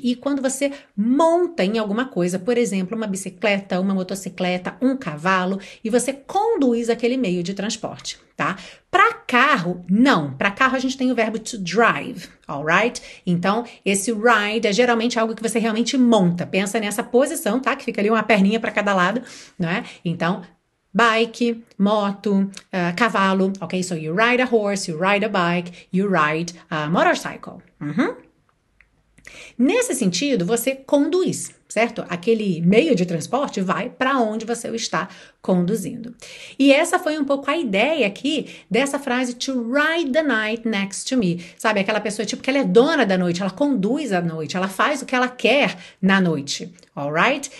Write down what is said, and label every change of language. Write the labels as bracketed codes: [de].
[pt] E quando você monta em alguma coisa, por exemplo, uma bicicleta, uma motocicleta, um cavalo, e você conduz aquele meio de transporte, tá? Para carro, não. Para carro a gente tem o verbo to drive, [en] alright? [pt] Então esse ride é geralmente algo que você realmente monta. Pensa nessa posição, tá? Que fica ali uma perninha para cada lado, não é? Então bike, moto, cavalo, ok? [en] So you ride a horse, you ride a bike, you ride a motorcycle. [pt] Nesse sentido, você conduz, certo? Aquele meio de transporte vai para onde você está conduzindo. E essa foi um pouco a ideia aqui dessa frase [en] to ride the night next to me. [pt] Sabe, aquela pessoa tipo que ela é dona da noite, ela conduz a noite, ela faz o que ela quer na noite. [en] Alright?